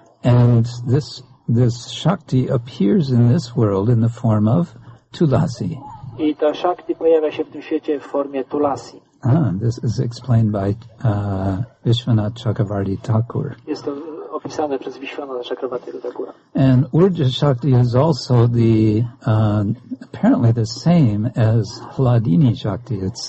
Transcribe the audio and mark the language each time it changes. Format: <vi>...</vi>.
<en>And this shakti appears in this world in the form of tulasi.</en> <pl>I ta shakti pojawia się w tym świecie w formie tulasi.</pl> <en>Ah, this is explained by Vishwanath Chakravarti Thakur.</en> <pl>Jest to opisane przez Vishwanath Chakravarti Thakura.</pl> <en>And Urja Shakti is also the apparently the same as Haladini Shakti.</en>